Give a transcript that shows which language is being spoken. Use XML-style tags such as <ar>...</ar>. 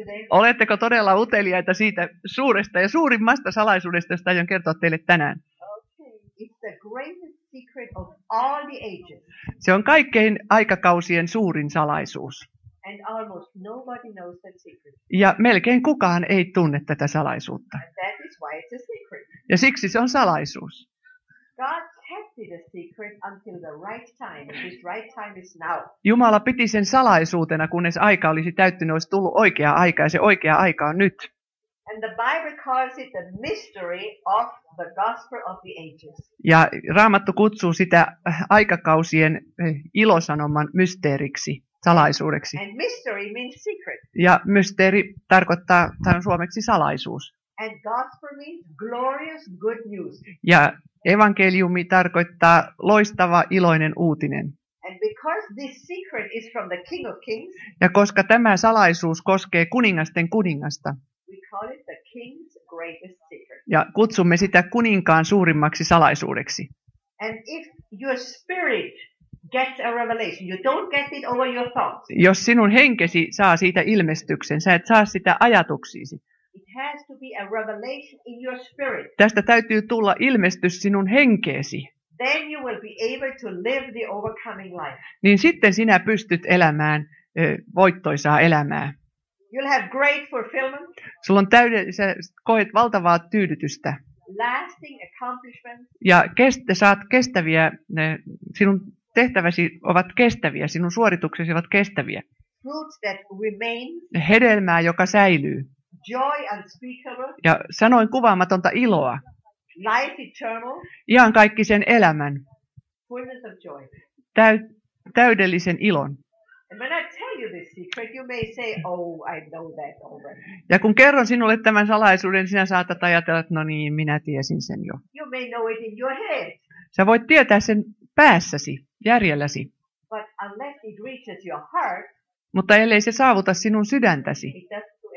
<fi>Oletteko todella uteliaita siitä suuresta ja suurimmasta salaisuudesta, josta aion kertoa teille tänään?</fi> <en>Okay. It's the greatest secret of all the ages.</en> <fi>Se on kaikkein aikakausien suurin salaisuus.</fi> <en>And almost nobody knows that secret.</en> <fi>Ja melkein kukaan ei tunne tätä salaisuutta.</fi> <en>And that is why it's a secret.</en> <fi>Ja siksi se on salaisuus.</fi> <en>God kept the secret until the right time. His right time is now.</en> <fi>Jumala piti sen salaisuutena, kunnes aika olisi täyttynyt, olisi tullut oikea aika, ja se oikea aika on nyt.</fi> <en>And the Bible calls it the mystery of the gospel of the ages.</en> <fi>Ja Raamattu kutsuu sitä aikakausien ilosanoman mysteeriksi, salaisuudeksi.</fi> <en>And mystery means secret.</en> <fi>Ja mysteeri tarkoittaa, tai on suomeksi salaisuus.</fi> <en>And gospel means glorious good news.</en> <fi>Ja evankeliumi tarkoittaa loistava, iloinen uutinen.</fi> <en>And because this secret is from the King of Kings,</en> <fi>ja koska tämä salaisuus koskee kuningasten kuningasta,</fi> <en>we call it the King's greatest secret.</en> <fi>Ja kutsumme sitä kuninkaan suurimmaksi salaisuudeksi.</fi> <en>And if your spirit gets a revelation, you don't get it over your thoughts.</en> <fi>Jos sinun henkesi saa siitä ilmestyksen, sä et saa sitä ajatuksiisi.</fi> <en>It has to be a revelation in your spirit.</en> <fi>Tästä täytyy tulla ilmestys sinun henkeesi.</fi> <en>Then you will be able to live the overcoming life.</en> <fi>Niin sitten sinä pystyt elämään voittoisaa elämää.</fi> <en>You'll have great fulfillment.</en> <fi>Sulla on sä koet valtavaa tyydytystä.</fi> <en>Lasting accomplishment.</en> <fi>Ja saat kestäviä, sinun tehtäväsi ovat kestäviä, sinun suorituksesi ovat kestäviä.</fi> <en>Fruits that remain.</en> <fi>Hedelmää, joka säilyy.</fi> <en>Joy unspeakable.</en> <fi>Ja sanoin kuvaamatonta iloa.</fi> <en>Life eternal.</en> <fi>Ihan kaikkisen elämän.</fi> <en>Fullness of joy.</en> <fi>Täydellisen ilon.</fi> <en>And when I tell you this secret, you may say, oh, I know that already.</en> <fi>Ja kun kerron sinulle tämän salaisuuden, sinä saatat ajatella, että no niin, minä tiesin sen jo.</fi> <en>You may know it in your head.</en> <fi>Sä voit tietää sen päässäsi, järjelläsi.</fi> <en>But unless it reaches your heart,</en> <fi>mutta ellei se saavuta sinun sydäntäsi,</fi> <en>it does.</en>